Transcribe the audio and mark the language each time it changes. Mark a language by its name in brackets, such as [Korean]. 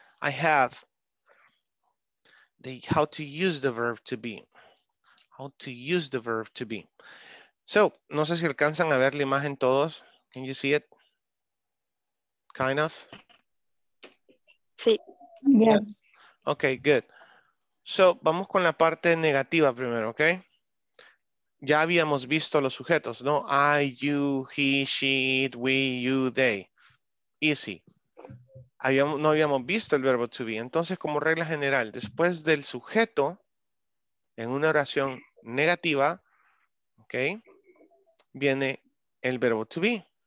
[English] I have the how to use the verb to be. How to use the verb to be. [Spanish] So, no sé si alcanzan a ver la imagen todos. [English] Can you see it? Kind of. [Spanish] Sí. [English] Yes. Okay, good. [Spanish] So, vamos con la parte negativa primero, okay? Ya habíamos visto los sujetos, ¿no? [English] I, you, he, she, it, we, you, they. [Spanish] Easy. No habíamos visto el verbo to be. Entonces, como regla general, después del sujeto, en una oración negativa, okay, viene el verbo to be.